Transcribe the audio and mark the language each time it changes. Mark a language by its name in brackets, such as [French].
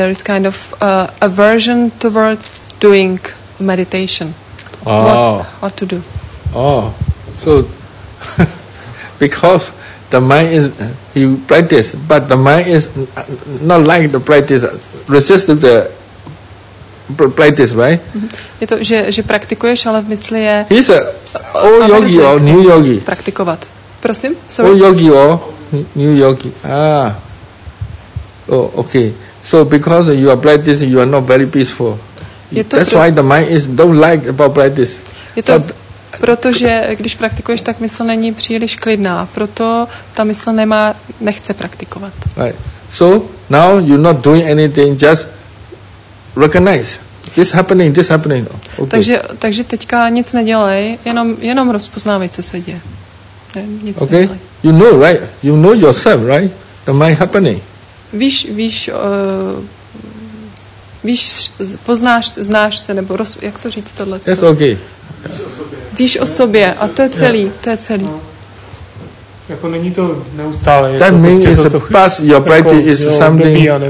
[English] There is kind of aversion towards doing meditation. Oh. What to do? Oh, so because the mind is, he practice, but the mind is not like the practice, resist the practice, right? Mm-hmm. [Czech] Je to, že praktikuješ, ale v mysli je... [English] He's a old yogi or new yogi. [Czech] Praktikovat. Prosím? [English] Sorry. Old yogi or new yogi. Ah. Oh, okay. So because you are practicing, you are not very peaceful. That's why the mind is don't like about practice. [Czech] Je to protože když praktikuješ, tak mysl není příliš klidná. Proto ta mysl nechce praktikovat. [English] Right. So now you're not doing anything, just recognize. This happening. Okay. [Czech] Takže teďka nic nedělej, jenom rozpoznávej, co se děje. [English] Okay. You know, right? You know yourself, right? The mind happening. [Czech] Víš, znáš se, jak to říct tohle? [English] Yes, okay. [Czech] Víš o sobě a to je celý, to je celý. Jako není to neustále. [English] That means is past your practice is something.